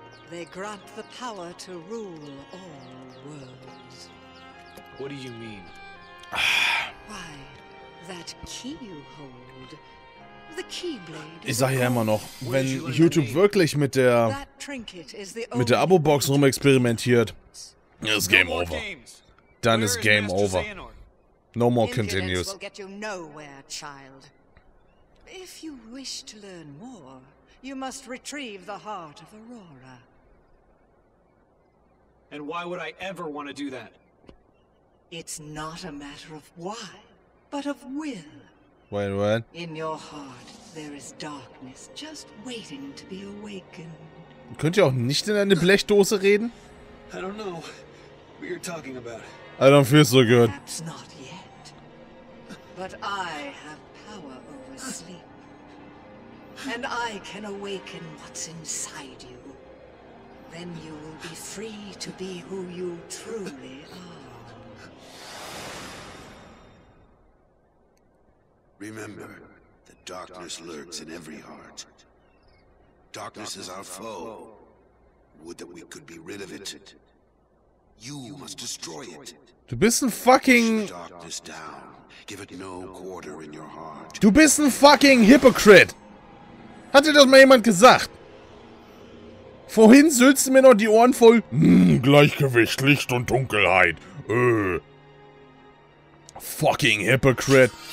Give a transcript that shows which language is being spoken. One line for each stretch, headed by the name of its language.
English: They grant the power to rule all worlds. What do you mean? Why, that key you hold, the keyblade.
German: Ich sag ja immer noch, wenn YouTube wirklich mit der Abo-Box rumexperimentiert, ist Game Over. Dann ist Game Over.
English: No more continues. Will get you nowhere, child. If you wish to learn more, you must retrieve the heart of Aurora. And why would I ever want to do that? It's not a matter of why, but of will. Wait, what? In your heart, there is darkness just waiting to be awakened.
German: Könnt ihr auch nicht in eine Blechdose reden?
English: I don't know what you're talking about. I don't feel so good. Perhaps not yet. But I have power over sleep. And I can awaken what's inside you. Then you will be free to be who you truly are. Remember, the darkness lurks in every heart. Darkness is our foe. Would that we could be rid of it. You must destroy it.
German: Du bist ein fucking...
English: darkness down. Give it no quarter in your heart.
German: Du bist ein fucking Hypocrite! Hat dir das mal jemand gesagt? Vorhin sülzte mir noch die Ohren voll... Gleichgewicht, Licht und Dunkelheit. Fucking Hypocrite.